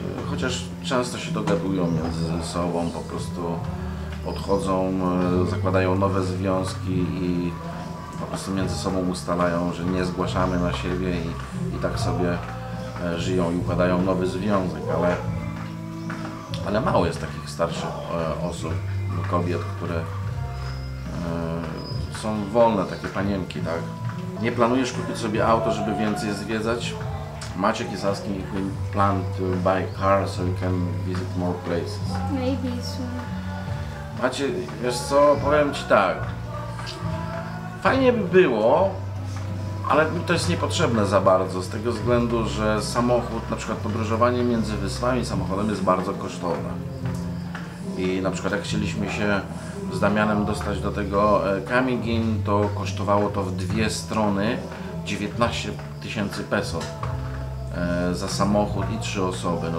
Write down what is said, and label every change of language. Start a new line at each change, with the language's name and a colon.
Polish: Chociaż często się dogadują między sobą, po prostu odchodzą, zakładają nowe związki i po prostu między sobą ustalają, że nie zgłaszamy na siebie i tak sobie żyją i układają nowy związek, ale mało jest takich starszych osób, kobiet, które są wolne, takie panienki, tak? Nie planujesz kupić sobie auto, żeby więcej zwiedzać?
English: Maciek is asking if we plan to buy a car so we can visit more places. Maybe soon.
Polish: Maciek, wiesz co, powiem ci tak. Fajnie by było, ale to jest niepotrzebne za bardzo, z tego względu, że samochód, na przykład podróżowanie między wyspami samochodem jest bardzo kosztowne. I na przykład jak chcieliśmy się z Damianem dostać do tego Camiguin, to kosztowało to w dwie strony 19 tysięcy peso za samochód i trzy osoby.